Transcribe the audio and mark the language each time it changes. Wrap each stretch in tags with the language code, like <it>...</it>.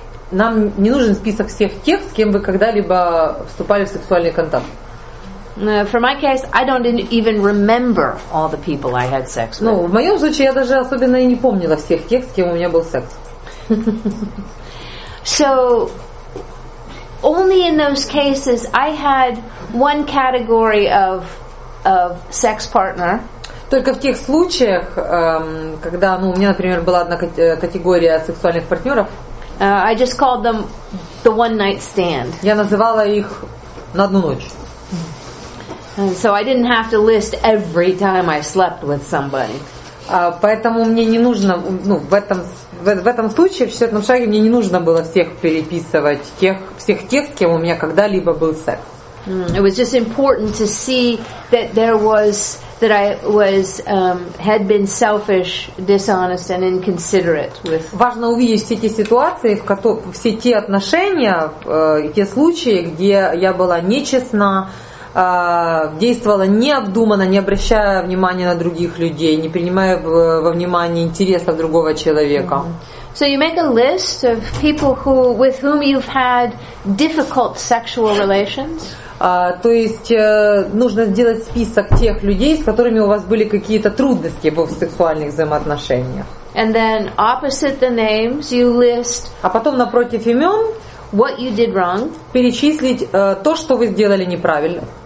<ru>Нам не нужен список всех тех, с кем вы когда-либо вступали в сексуальный контакт.</ru> <en>For my case, I don't even remember all the people I had sex with.</en> <ru>Ну, в моем случае я даже особенно и не помнила всех тех, с кем у меня был секс.</ru> <en>So only in those cases I had one category of sex partner.</en> <ru>Только в тех случаях, когда, ну, у меня, например, была одна категория сексуальных партнеров.</ru> <en>I just called them the one night stand.</en> <ru>Я называла их на одну ночь.</ru> <en>And so I didn't have to list every time I slept with somebody.</en> <ru>Поэтому мне не нужно, ну, в этом случае, в четвертом шаге, мне не нужно было всех переписывать, всех тех, с кем у меня когда-либо был секс.</ru> <en>It was just important to see that there was that I was had been selfish, dishonest, and inconsiderate with.</en> <ru>Важно увидеть все те ситуации, все те отношения, те случаи, где я была нечестна, действовала необдуманно, не обращая внимания на других людей, не принимая во внимание интересов другого человека.</ru> <en>So you make a list of people who, with whom you've had difficult sexual relations.</en> <ru>То есть нужно сделать список тех людей, с которыми у вас были какие-то трудности в сексуальных взаимоотношениях.</ru> <en>And then opposite the names you list.</en> <ru>А потом напротив имен.</ru> <en>What you did wrong.</en> <ru>Перечислить то, что вы сделали неправильно.</ru>